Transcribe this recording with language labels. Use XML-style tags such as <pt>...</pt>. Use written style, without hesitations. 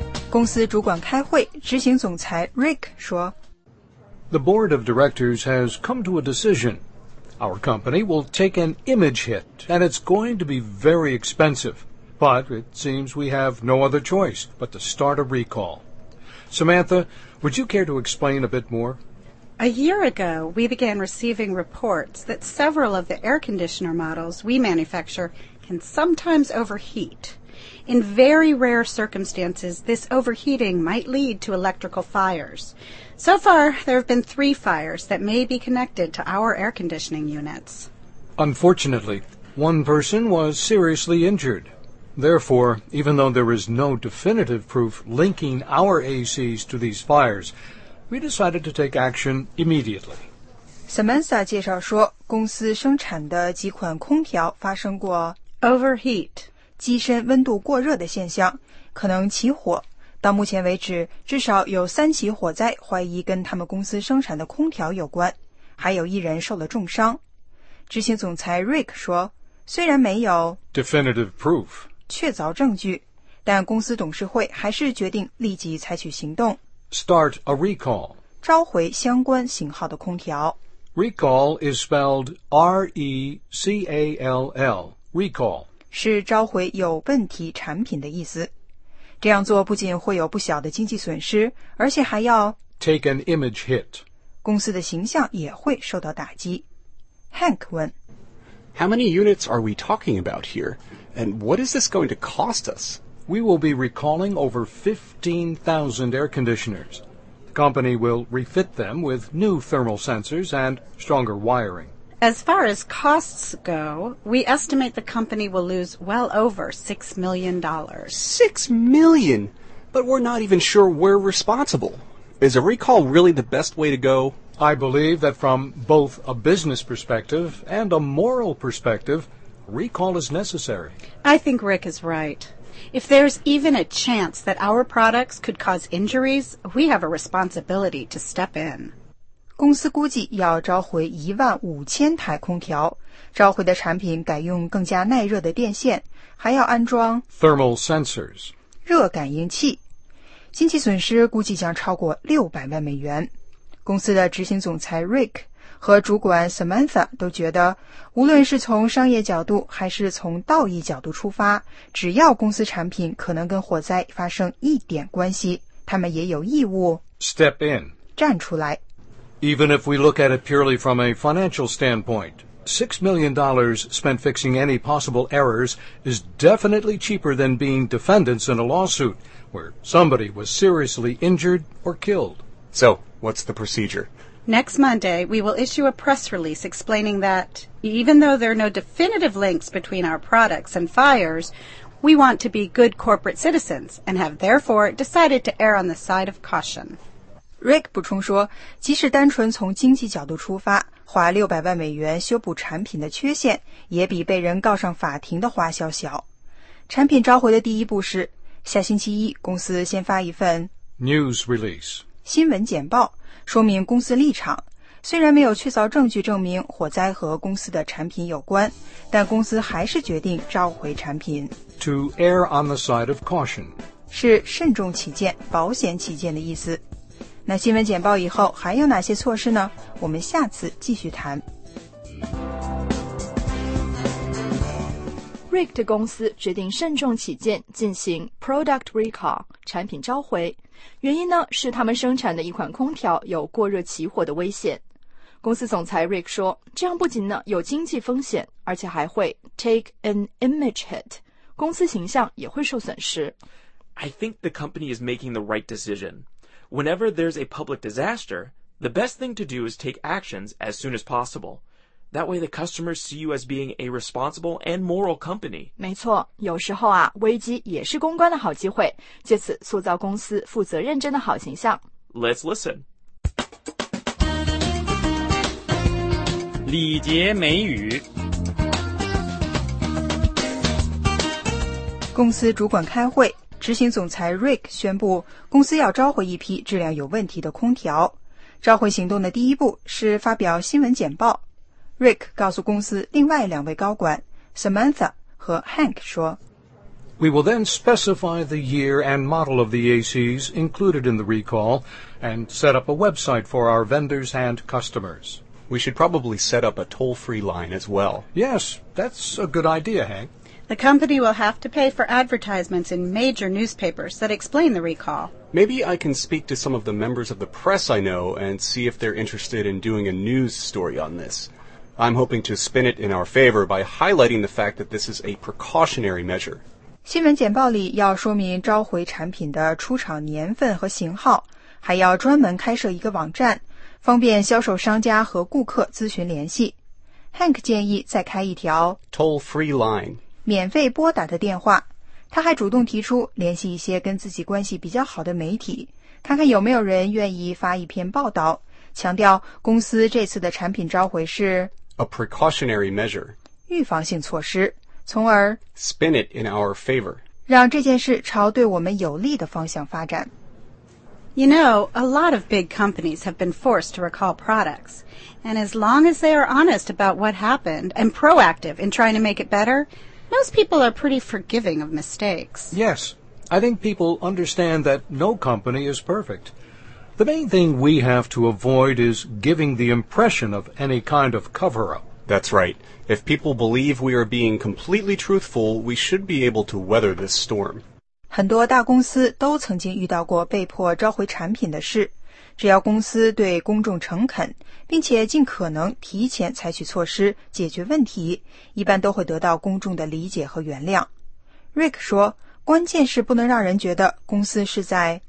<zh>公司主管开会，执行总裁 Rick 说</zh> <en>The board of directors has come to a decision. Our company will take an image hit, and it's going to be very expensive. But it seems we have no other choice but to start a recall. Samantha, would you care to explain a bit more? A year ago, we began receiving reports that several of the air conditioner models we manufacture can sometimes overheat. In very rare circumstances, this overheating might lead to electrical fires. So far, there have been 3 fires that may be connected to our air conditioning units. Unfortunately, one person was seriously injured. Therefore, even though there is no definitive proof linking our ACs to these fires,We decided to take action immediately.</en> <zh>Samantha 介绍说，公司生产的几款空调发生过</zh> <en>overheat</en> <zh>机身温度过热的现象，可能起火。到目前为止，至少有3起火灾，怀疑跟他们公司生产的空调有关，还有一人受了重伤。执行总裁 Rick 说，虽然没有</zh> <en>definitive proof</en> <zh>确凿证据，但公司董事会还是决定立即采取行动。</zh> <en>Start a recall.</en> <zh>召回相关型号的空调。</zh> <en>Recall is spelled R-E-C-A-L-L, recall.</en> <zh>是召回有问题产品的意思。这样做不仅会有不小的经济损失，而且还要</zh> <en>take an image hit.</en> <zh>公司的形象也会受到打击。 Hank 问</zh> <en>How many units are we talking about here? And what is this going to cost us? We will be recalling over 15,000 air conditioners. The company will refit them with new thermal sensors and stronger wiring. As far as costs go, we estimate the company will lose well over $6 million. $6 million? But we're not even sure we're responsible. Is a recall really the best way to go? I believe that from both a business perspective and a moral perspective, recall is necessary. I think Rick is right. If there's even a chance that our products could cause injuries, we have a responsibility to step in.</en> <zh>公司估计要召回15,000台空调，召回的产品改用更加耐热的电线，还要安装</zh> <en>thermal sensors</en> <zh>热感应器。经济损失估计将超过600万美元。公司的执行总裁 Rick 和主管 Samantha 都觉得，无论是从商业角度还是从道义角度出发，只要公司产品可能跟火灾发生一点关系，他们也有义务</zh> <en>step in</en> <zh>站出来。</zh> <en>Even if we look at it purely from a financial standpoint, $6 million spent fixing any possible errors is definitely cheaper than being defendants in a lawsuit where somebody was seriously injured or killed. So, what's the procedure? Next Monday, we will issue a press release explaining that even though there are no definitive links between our products and fires, we want to be good corporate citizens and have therefore decided to err on the side of caution.</en> <zh>Rick 补充说，即使单纯从经济角度出发，花600万美元修补产品的缺陷，也比被人告上法庭的花销小。产品召回的第一步是，下星期一公司先发一份</zh> <en>news release</en> <zh>新闻简报，说明公司立场。虽然没有确凿证据证明火灾和公司的产品有关，但公司还是决定召回产品。</zh> <en>To err on the side of caution</en> <zh>是慎重起见、保险起见的意思。那新闻简报以后还有哪些措施呢？我们下次继续谈。 Rick 的公司决定慎重起见，进行</zh> <en>product recall</en> <zh>产品召回，原因呢是他们生产的一款空调有过热起火的危险。公司总裁 Rick 说，这样不仅呢有经济风险，而且还会</zh> <en>take an image hit，</en> <zh>公司形象也会受损失。</zh> <en>I think the company is making the right decision. Whenever there's a public disaster, the best thing to do is take actions as soon as possible. That way the customers see you as being a responsible and moral company.</en> <zh>没错，有时候啊，危机也是公关的好机会，借此塑造公司负责认真的好形象。</zh> <en>Let's listen.</en> <zh>礼节美语。公司主管开会。执行总裁 Rick 宣布公司要召回一批质量有问题的空调。召回行动的第一步是发表新闻简报。Rick 告诉公司另外两位高管 Samantha 和 Hank 说</zh> <en>We will then specify the year and model of the ACs included in the recall and set up a website for our vendors and customers. We should probably set up a toll-free line as well. Yes, that's a good idea, Hank. The company will have to pay for advertisements in major newspapers that explain the recall. Maybe I can speak to some of the members of the press I know and see if they're interested in doing a news story on this. I'm hoping to spin it in our favor by highlighting the fact that this is a precautionary measure.</en> <zh>新闻简报里要说明召回产品的出厂年份和型号，还要专门开设一个网站，方便销售商家和顾客咨询联系。 Hank 建议再开一条</zh> <en>toll-free line.</en> <zh>免费拨打的电话，他还主动提出联系一些跟自己关系比较好的媒体，看看有没有人愿意发一篇报道，强调公司这次的产品召回是</zh> <en>a precautionary measure，</en> <zh>预防性措施，从而</zh> <en>spin it in our favor，</en> <zh>让这件事朝对我们有利的方向发展。</zh> <en>You know, a lot of big companies have been forced to recall products. And as long as they are honest about what happened and proactive in trying to make it better, most people are pretty forgiving of mistakes. Yes, I think people understand that no company is perfect. The main thing we have to avoid is giving the impression of any kind of cover-up. That's right. If people believe we are being completely truthful, we should be able to weather this storm.</en> <zh>很多大公司都曾经遇到过被迫召回产品的事。只要公司对公众诚恳，并且尽可能提前采取措施解决问题，一般都会得到公众的理解和原谅。 Rick 说，关键是不能让人觉得公司是在</zh>